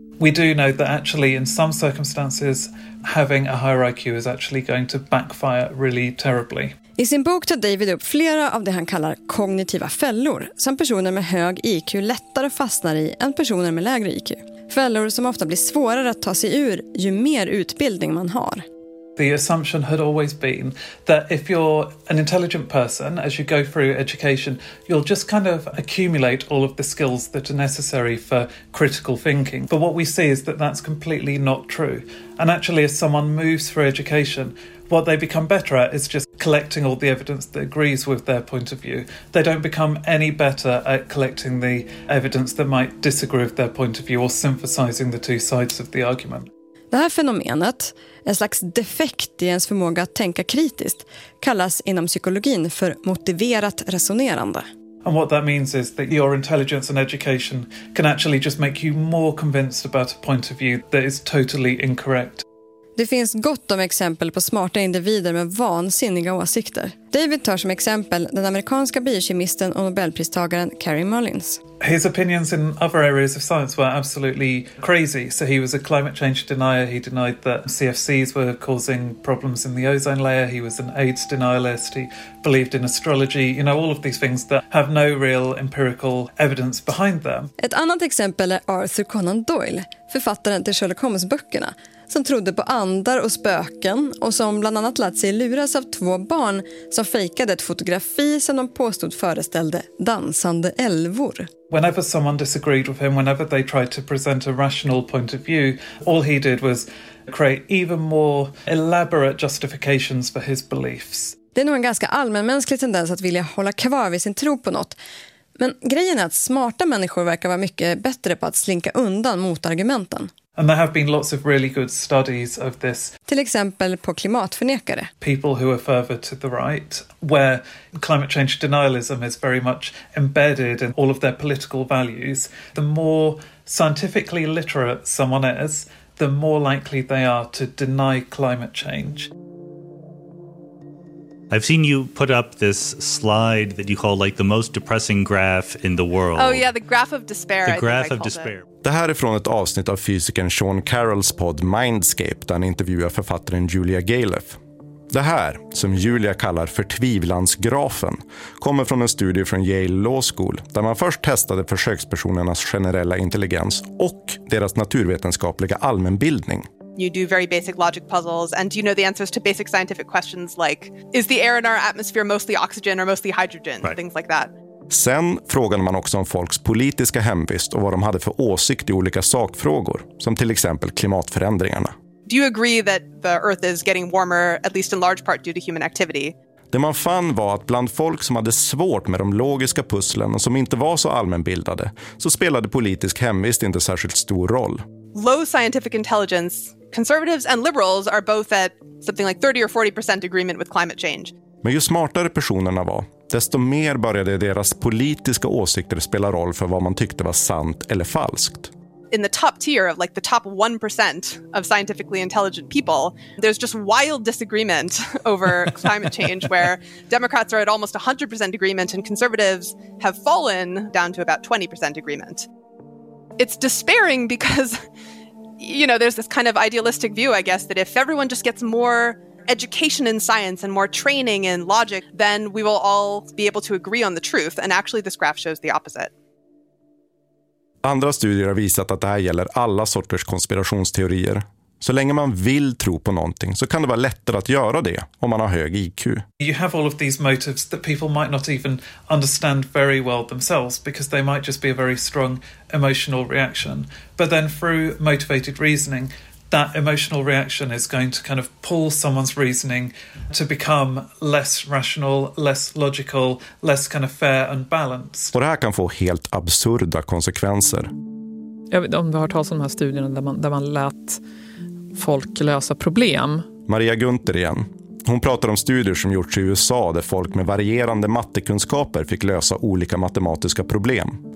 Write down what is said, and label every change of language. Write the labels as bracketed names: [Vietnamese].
[English] We do know that actually in some circumstances having a higher IQ is actually going to backfire really terribly. [Swedish] I sin bok tar David upp flera av det han kallar kognitiva fällor som personer med hög IQ lättare fastnar i än personer med lägre IQ. Fällor som ofta blir svårare att ta sig ur ju mer utbildning man har. [English] The assumption had always been that if you're an intelligent person, as you go through education, you'll just kind of accumulate all of the skills that are necessary for critical thinking. But what we see is that that's completely not true. And actually, as someone moves through education, what they become better at is just collecting all the evidence that agrees with their point of view. They don't become any better at collecting the evidence that might disagree with their point of view or synthesizing the two sides of the argument. [Swedish] Det här fenomenet, en slags defekt i ens förmåga att tänka kritiskt, kallas inom psykologin för motiverat resonerande. [English] And what that means is that your intelligence and education can actually just make you more convinced about a point of view that is totally incorrect. [Swedish] Det finns gott om exempel på smarta individer med vansinniga åsikter. David tar som exempel den amerikanska biokemisten och Nobelpristagaren Carrie Mullins. [English] His opinions in other areas of science were absolutely crazy. So he was a climate change denier. He denied that CFCs were causing problems in the ozone layer. He was an AIDS denialist. He believed in astrology. You know, all of these things that have no real empirical evidence behind them. [Swedish] Ett annat exempel är Arthur Conan Doyle, författaren till Sherlock Holmes-böckerna, som trodde på andar och spöken och som bland annat lät sig luras av 2 barn som fejkade ett fotografi som de påstod föreställde dansande älvor. [English] Whenever someone disagreed with him, whenever they tried to present a rational point of view, all he did was create even more elaborate justifications for his beliefs. [Swedish] Det är nog en ganska allmänmänsklig tendens att vilja hålla kvar vid sin tro på något. Men grejen är att smarta människor verkar vara mycket bättre på att slinka undan motargumenten. [English] And there have been lots of really good studies of this. [Swedish] Till exempel på klimatförnekare. [English] People who are further to the right, where climate change denialism is very much embedded in all of their political values. The more scientifically literate someone is, the more likely they are to deny climate change. I've seen you put up this slide that you call like the most depressing graph in the world. Oh yeah, the graph of despair. The graph of despair. [Swedish] Det här är från ett avsnitt av fysikern Sean Carrolls podd Mindscape, där han intervjuar författaren Julia Galef. Det här, som Julia kallar förtvivlansgrafen, kommer från en studie från Yale Law School där man först testade försökspersonernas generella intelligens och deras naturvetenskapliga allmänbildning. [English] You do very basic logic puzzles and you know the answers to basic scientific questions like is the air in our atmosphere mostly oxygen or mostly hydrogen, right. Things like that. [Swedish] Sen frågade man också om folks politiska hemvist och vad de hade för åsikt i olika sakfrågor, som till exempel klimatförändringarna. [English] Do you agree that the earth is getting warmer at least in large part due to human activity? [Swedish] Det man fann var att bland folk som hade svårt med de logiska pusslen och som inte var så allmänbildade, så spelade politisk hemvist inte särskilt stor roll. [English] Low scientific intelligence, conservatives and liberals are both at something like 30 or 40% agreement with climate change. [Swedish] Men ju smartare personerna var, desto mer började deras politiska åsikter spela roll för vad man tyckte var sant eller falskt. [English] In the top tier of like the top 1% of scientifically intelligent people, there's just wild disagreement over climate change where Democrats are at almost 100% agreement and conservatives have fallen down to about 20% agreement. It's despairing because, you know, there's this kind of idealistic view, I guess, that if everyone just gets more education in science and more training in logic, then we will all be able to agree on the truth. And actually, this graph shows the opposite. [Swedish] Andra studier har visat att det här gäller alla sorters konspirationsteorier. Så länge man vill tro på någonting så kan det vara lättare att göra det om man har hög IQ. [English] You have all of these motives that people might not even understand very well themselves because they might just be a very strong emotional reaction. But then through motivated reasoning, that emotional reaction is going to kind of pull someone's reasoning to become less rational, less logical, less kind of fair and balanced. [Swedish] Och det här kan få helt absurda konsekvenser. Jag vet, om vi har hört talas om de här studierna där man lät folk lösa problem. Maria Gunther igen. Hon pratar om studier som gjorts i USA där folk med varierande mattekunskaper fick lösa olika matematiska problem.